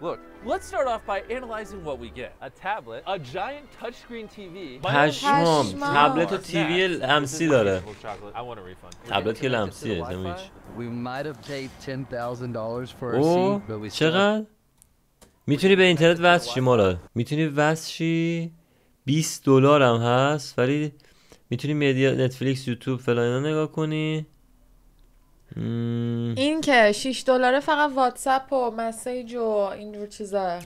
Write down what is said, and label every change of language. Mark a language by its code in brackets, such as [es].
[en] Look, let's start off by analyzing what we get. A tablet, a giant touchscreen TV. [fa] پشمام تبلت و تیوی لمسی داره. [en] I want a refund. [fa] تبلت که لمسیه، نمیچ. [en] We might have paid $10,000 for a seat, but we [fa] چقدر؟ میتونی به اینترنت وصل شی مالا. میتونی وصل شی 20 دلار هم هست، ولی میتونی مدیا نتفلیکس، یوتیوب فلان نگاه کنی. این که 6 دلاره فقط واتساپ و مسیج و اینجور چیزا.